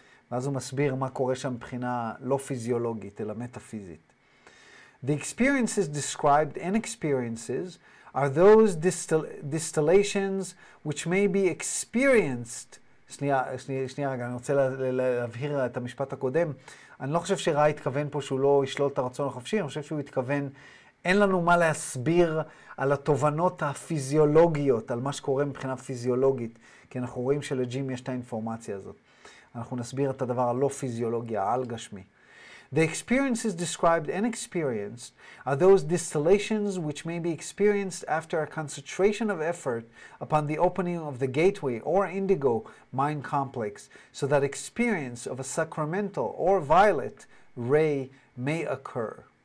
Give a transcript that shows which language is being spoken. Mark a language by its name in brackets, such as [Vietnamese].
[Hebrew] ואז הוא מסביר מה קורה שם מבחינה לא פיזיולוגית, אלא מטאפיזית. [English] The experiences described and experiences are those distillations which may be experienced. [Hebrew] שנייה רגע, אני רוצה להבהיר את המשפט הקודם. אני לא חושב שראה התכוון פה שהוא לא ישלול את הרצון החופשי, אני חושב שהוא התכוון, אין לנו מה להסביר על התובנות הפיזיולוגיות, על מה שקורה מבחינה פיזיולוגית, כי אנחנו רואים שלג'ים יש את האינפורמציה הזאת. אנחנו נסביר את הדבר הלא פיזיולוגי, העל גשמי. [English] The experiences described and experienced are those distillations which may be experienced after a concentration of effort upon the opening of the gateway or indigo mind complex, so that experience of a sacramental or violet ray may occur.